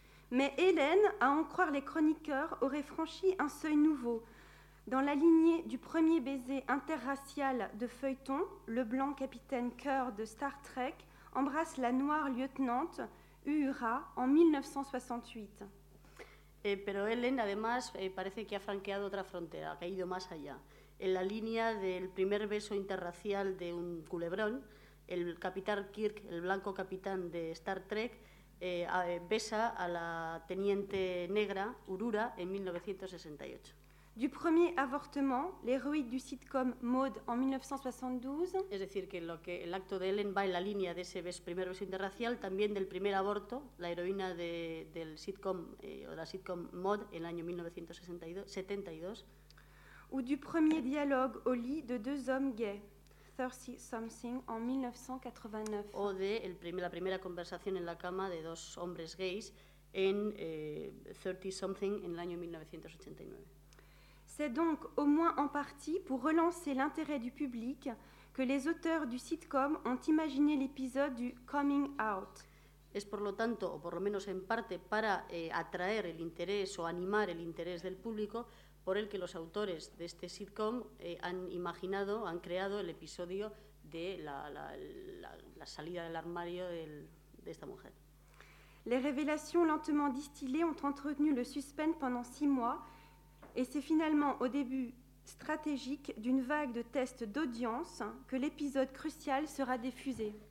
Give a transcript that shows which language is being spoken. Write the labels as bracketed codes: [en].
[fr] Mais Ellen, à en croire les chroniqueurs, aurait franchi un seuil nouveau. Dans la lignée du premier baiser interracial de feuilleton, le blanc capitaine Kirk de Star Trek embrasse la noire lieutenante Uhura en 1968. [es] Pero Ellen, además, parece que ha franqueado otra frontera, que ha ido más allá. En la línea del primer beso interracial de un culebrón, el capitán Kirk, el blanco capitán de Star Trek, besa a la teniente negra, Uhura, en 1968. [fr] Du premier avortement, l'héroïne du sitcom Maud en 1972. [es] Es decir, que lo que el acto de Ellen va en la línea de ese primer beso interracial, también del primer aborto, la heroína de, del sitcom o la sitcom Maud en el año 1972. [fr] Ou du premier dialogue au lit de deux hommes gays, 30 something en 1989. [es] O de la primera conversación en la cama de dos hombres gays en 30 something en el año 1989. [fr] C'est donc au moins en partie pour relancer l'intérêt du public que les auteurs du sitcom ont imaginé l'épisode du coming out. [es] Es por lo tanto, o por lo menos en parte, para atraer el interés o animar el interés del público, por el que los autores de este sitcom han imaginado, han creado el episodio de la salida del armario de esta mujer. [fr] Les révélations lentement distillées ont entretenu le suspense pendant six mois. Et c'est finalement au début stratégique d'une vague de tests d'audience que l'épisode crucial sera diffusé.